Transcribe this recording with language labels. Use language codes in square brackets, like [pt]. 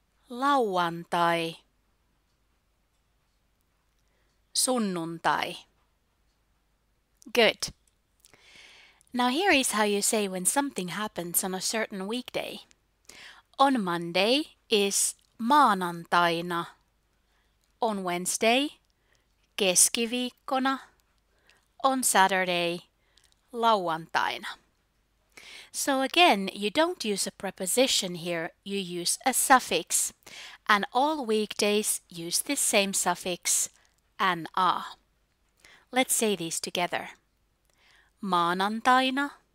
[fi] Lauantai. Sunnuntai. [en] Good. Now here is how you say when something happens on a certain weekday. On Monday is [fi] maanantaina. [en] On Wednesday, [fi] keskiviikkona. [en] On Saturday, [fi] lauantaina. [en] So again, you don't use a preposition here, you use a suffix. And all weekdays use this same suffix, na. Let's say these together. [fi] Maanantaina.